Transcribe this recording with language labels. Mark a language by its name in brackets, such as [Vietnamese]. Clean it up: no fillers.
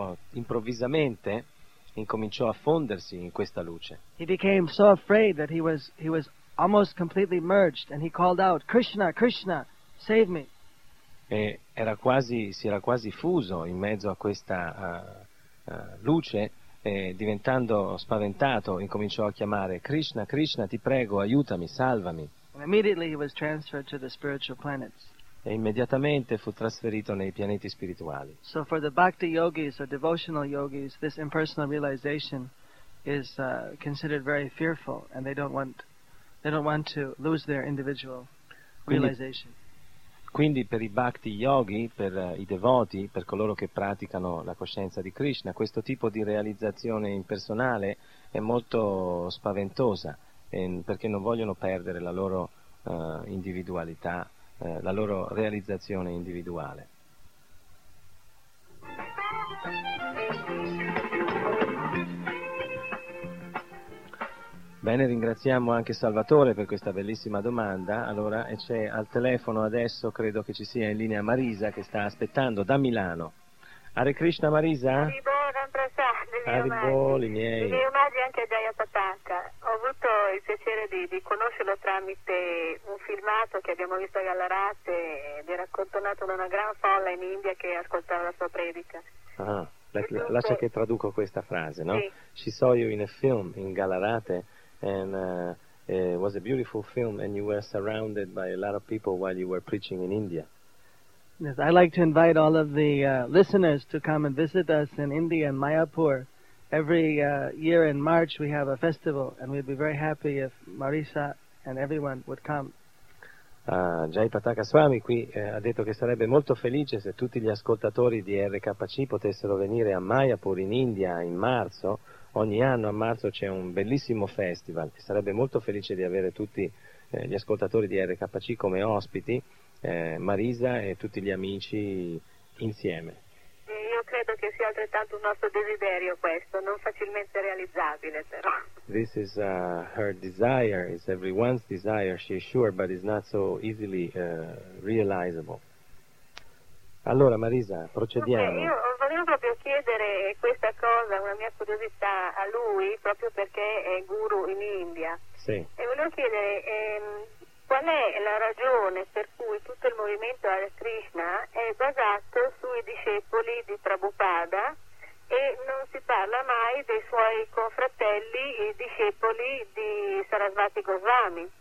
[Italian] Improvvisamente incominciò a fondersi in questa luce. [English] He became so afraid that he was almost completely merged and he called out, Krishna, Krishna, save me. [Italian] E si era quasi fuso in mezzo a questa luce. E diventando spaventato incominciò a chiamare Krishna, Krishna, ti prego, aiutami, salvami. [English] And immediately he was transferred to the spiritual planets. [Italian] E immediatamente fu trasferito nei pianeti spirituali. [English] So for the bhakti yogis or devotional yogis, this impersonal realization is considered very fearful and they don't want They don't want to lose their individual realization. [Italian] Quindi per i bhakti yogi, per i devoti, per coloro che praticano la coscienza di Krishna, questo tipo di realizzazione impersonale è molto spaventosa, perché non vogliono perdere la loro individualità, la loro realizzazione individuale. Bene, ringraziamo anche Salvatore per questa bellissima domanda. Allora, e c'è al telefono adesso, credo che ci sia in linea Marisa che sta aspettando da Milano. Hare Krishna Marisa. Hare Boli miei. Hare Boli anche a Jaya Patanka. Ho avuto il piacere di conoscerlo tramite un filmato che abbiamo visto a Gallarate, ed era accantonato da una gran folla in India che ascoltava la sua predica. Ah, lascia che traduco questa frase, no? Sì. [English] She saw you in a film in Gallarate. And it was a beautiful film, and you were surrounded by a lot of people while you were preaching in India. Yes, I'd like to invite all of the listeners to come and visit us in India, in Mayapur. Every year in March we have a festival, and we'd be very happy if Marisa and everyone would come. [Italian] Jai Pataka Swami qui ha detto che sarebbe molto felice se tutti gli ascoltatori di RKC potessero venire a Mayapur in India in marzo. Ogni anno a marzo c'è un bellissimo festival, sarebbe molto felice di avere tutti gli ascoltatori di RKC come ospiti, Marisa e tutti gli amici insieme. Io credo che sia altrettanto un nostro desiderio questo, non facilmente realizzabile però. [English] This is her desire, it's everyone's desire, she is sure, but it's not so easily realizable. [Italian] Allora Marisa, procediamo. Okay, io volevo proprio chiedere questa cosa, una mia curiosità a lui, proprio perché è guru in India. Sì. E volevo chiedere qual è la ragione per cui tutto il movimento Hare Krishna è basato sui discepoli di Prabhupada e non si parla mai dei suoi confratelli, i discepoli di Sarasvati Goswami.